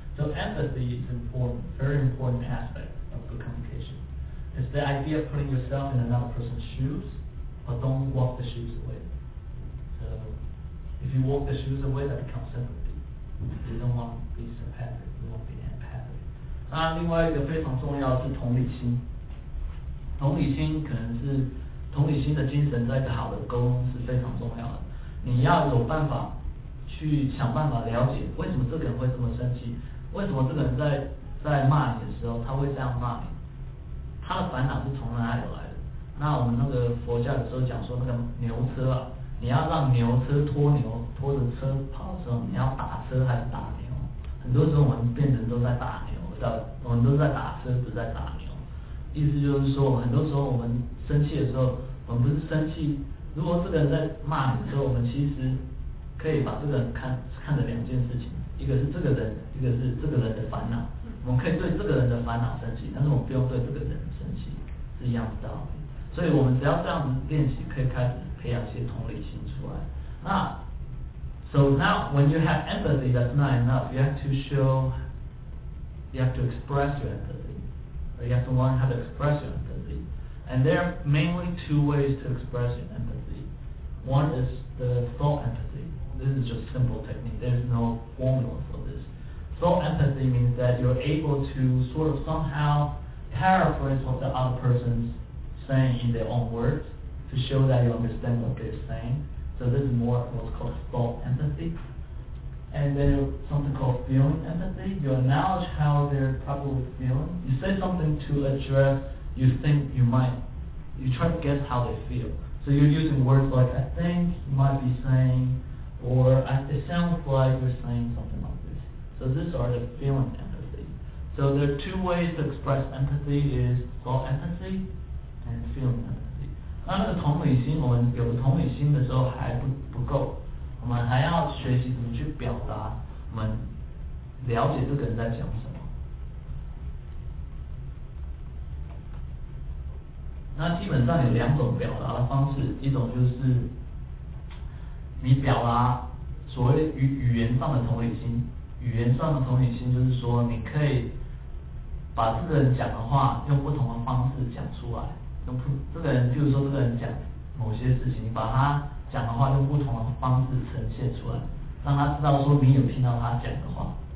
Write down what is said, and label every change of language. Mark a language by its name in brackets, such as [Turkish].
[English] So empathy is important, very important aspect of good communication. It's the idea of putting yourself in another person's shoes, but don't walk the shoes away. So if you walk the shoes away, that becomes sympathy. You don't want to be sympathetic, you want to be empathetic. [Chinese] 那另外一个非常重要的是同理心。同理心可能是同理心的精神，在一个好的沟通是非常重要的。你要有办法去想办法了解为什么这个人会这么生气，为什么这个人在骂你的时候他会这样骂你，他的烦恼是从哪里来的。那我们那个佛教的时候讲说，那个牛车啊，你要让牛车拖牛，拖着车跑的时候，你要打车还是打牛？很多时候我们变成都在打牛，我们都在打车，不在打牛。意思就是说，很多时候我们生气的时候，我们不是生气，如果这个人在骂你的时候，我们其实可以把这个人看着两件事情，一个是这个人，一个是这个人的烦恼。我们可以对这个人的烦恼生气，但是我们不用对这个人生气，是一样的道理。所以我们只要这样子练习，可以开始培养一些同理心出来。 [English] 那 So now when you have empathy, that's not enough. You have to show, you have to express your empathy, or you have to learn how to express your empathy. And there are mainly two ways to express your empathy. One is the thought empathy. This is just simple technique. There's no formula for this. Thought empathy means that you're able to sort of somehow paraphrase what the other person's saying in their own words to show that you understand what they're saying. So this is more what's called thought empathy. And then something called feeling empathy. You acknowledge how they're probably feeling. You say something to address you think you might. You try to guess how they feel. So you're using words like I think you might be saying, or it sounds like you're saying something like this. So this are the feeling empathy. So there are two ways to express empathy is thought empathy and feeling empathy. [Chinese] 那那个同理心，我们有同理心的时候还不够，我们还要学习怎么去表达，我们了解这个人在讲什么。那基本上有两种表达的方式，一种就是你表达所谓语言上的同理心，语言上的同理心就是说你可以把这个人讲的话用不同的方式讲出来，用这个人，譬如说这个人讲某些事情，你把他讲的话用不同的方式呈现出来，让他知道说你有听到他讲的话。